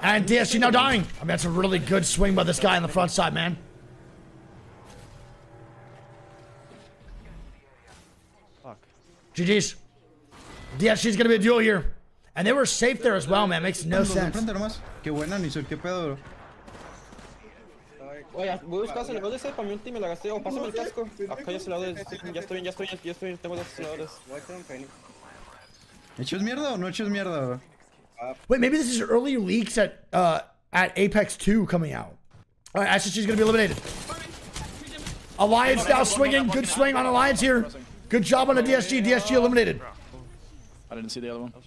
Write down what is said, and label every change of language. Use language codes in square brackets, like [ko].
[en] And DSG now dying. I mean, that's a really good swing by this guy on the front side, man. Fuck. GG's. DSG's gonna be a duel here. And they were safe there as well, man. Makes no sense. [es] Qué buena, Nisur. Qué pedo, bro. Oye, voy a buscar aceleradores, para mi ulti me la gasté, o pásame el casco. Acá hay aceleradores, ya estoy bien, tengo dos aceleradores. ¿Echas mierda o no echas mierda? [en] Wait, maybe this is early leaks at Apex 2 coming out. Alright, Ashes, she's gonna be eliminated. Alliance now swinging, good swing on Alliance here. Good job on the DSG, DSG eliminated. I didn't see the other one.